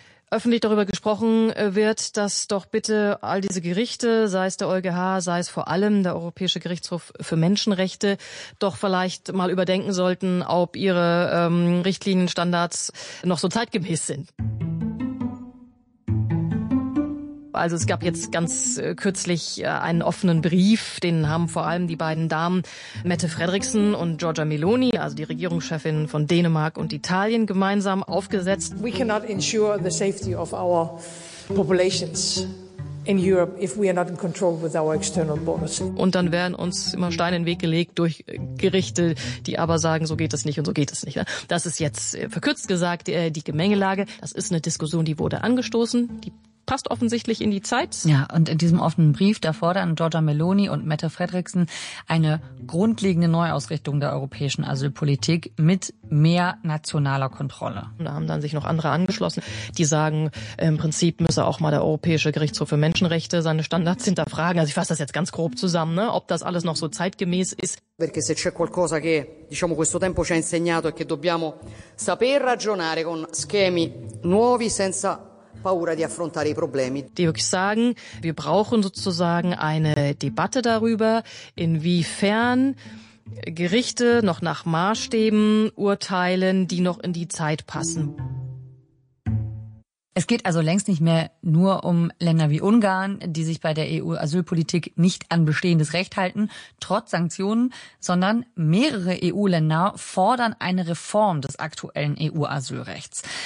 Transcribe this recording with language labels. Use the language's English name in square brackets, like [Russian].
[German] öffentlich darüber gesprochen wird, dass doch bitte all diese Gerichte, sei es der EuGH, sei es vor allem der Europäische Gerichtshof für Menschenrechte, doch vielleicht mal überdenken sollten, ob ihre Richtlinienstandards noch so zeitgemäß sind. Also es gab jetzt ganz kürzlich einen offenen Brief, den haben vor allem die beiden Damen Mette Frederiksen und Giorgia Meloni, also die Regierungschefin von Dänemark und Italien, gemeinsam aufgesetzt. [English] We cannot ensure the safety of our populations in Europe if we are not in control with our external borders. [German] Und dann werden uns immer Steine in den Weg gelegt durch Gerichte, die aber sagen, so geht es nicht und so geht es nicht. Das ist jetzt verkürzt gesagt die Gemengelage. Das ist eine Diskussion, die wurde angestoßen, die passt offensichtlich in die Zeit. Ja, und in diesem offenen Brief, da fordern Giorgia Meloni und Mette Frederiksen eine grundlegende Neuausrichtung der europäischen Asylpolitik mit mehr nationaler Kontrolle. Und da haben dann sich noch andere angeschlossen, die sagen, im Prinzip müsse auch mal der Europäische Gerichtshof für Menschenrechte seine Standards hinterfragen. Also ich fasse das jetzt ganz grob zusammen, ne? Ob das alles noch so zeitgemäß ist. [Italian] Perché se c'è qualcosa che, diciamo, questo tempo ci ha insegnato è che dobbiamo saper ragionare con schemi nuovi senza paura di affrontare i problemi. [German] Die wirklich sagen, wir brauchen sozusagen eine Debatte darüber, inwiefern Gerichte noch nach Maßstäben urteilen, die noch in die Zeit passen. Es geht also längst nicht mehr nur um Länder wie Ungarn, die sich bei der EU-Asylpolitik nicht an bestehendes Recht halten, trotz Sanktionen, sondern mehrere EU-Länder fordern eine Reform des aktuellen EU-Asylrechts.